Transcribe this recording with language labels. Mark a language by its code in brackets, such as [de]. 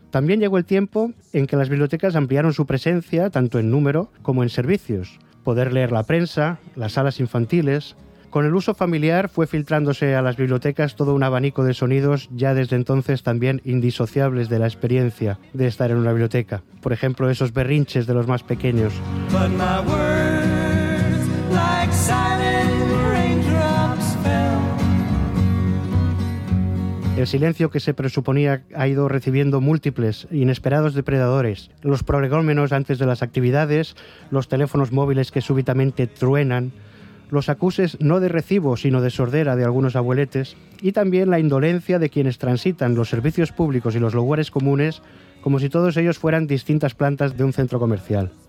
[es] También llegó el tiempo en que las bibliotecas ampliaron su presencia, tanto en número como en servicios. Poder leer la prensa, las salas infantiles. Con el uso familiar fue filtrándose a las bibliotecas todo un abanico de sonidos ya desde entonces también indisociables de la experiencia de estar en una biblioteca. Por ejemplo, esos berrinches de los más pequeños. [en] But my words, like silent raindrops fell. [es] El silencio que se presuponía ha ido recibiendo múltiples, inesperados depredadores. Los prolegómenos antes de las actividades, los teléfonos móviles que súbitamente truenan, los acuses no de recibo, sino de sordera de algunos abueletes, y también la indolencia de quienes transitan los servicios públicos y los lugares comunes como si todos ellos fueran distintas plantas de un centro comercial.